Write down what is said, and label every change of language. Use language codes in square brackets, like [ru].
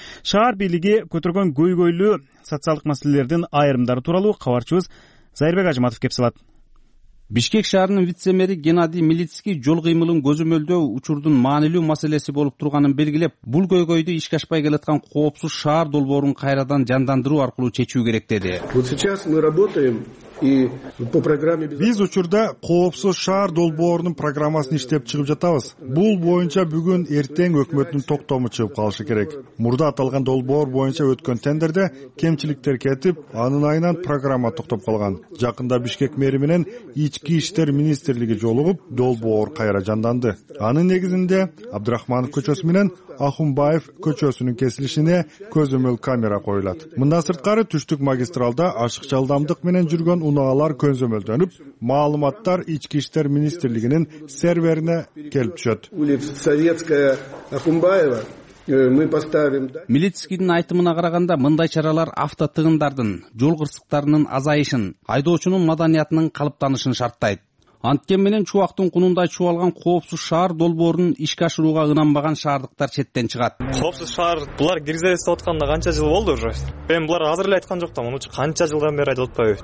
[ky] Шаар бийлиги көтөргөн көйгөйлүү социалдык маселелердин айрымдары тууралуу кабарчыбыз Зайырбек Ажыматов кеп салат. Бишкек шаарынын вице мэри Геннадий Милицкий жол кыймылын көзөмөлдөө учурдун маанилүү маселеси болуп турганын белгилеп, бул көйгөйдү ишке ашпай келаткан коопсуз шаар долбоорун кайрадан жандандыруу аркылуу чечүү керек деди. [ru] Вот сейчас мы работаем и по программе. [ky] Биз учурда коопсуз шаар долбоорунун программасын иштеп чыгып жатабыз. Бул боюнча бүгүн эртең өкмөттүн токтому чыгып калышы керек. Мурда аталган долбоор боюнча өткөн тендерде кемчиликтер кетип, анын айынан программа токтоп калган. Жакында Бишкек мэри менен ички иштер министрлиги жолугуп, долбоор кайра жанданды. Анын негизинде Абдрахманов көчөсү менен Ахунбаев көчөсүнүн кесилишине көзөмөл камера коюлат. Мындан сырткары түштүк магистралда ашыкча алдамдык менен жүргөн унаалар көзөмөлдөнүп, маалыматтар ички иштер министрлигинин серверине келип түшөт. [ru] Улица Советская, Ахунбаева Мы поставим. [ky] Милицкийдин айтымына караганда, мындай чаралар автотыгындардын, жол кырсыктарынын азайышын, айдоочунун маданиятынын калыптанышын шарттайт. Анткен менен Чубактын кунундай чубалган коопсуз шаар долбоорун ишке ашырууга ынанбаган шаардыктар четтен чыгат. Коопсуз шаар булар киргизе деп атканда канча жыл болду уже? Мен булар азыр эле айткан жок да, муну канча жылдан бери айтып атпайбы?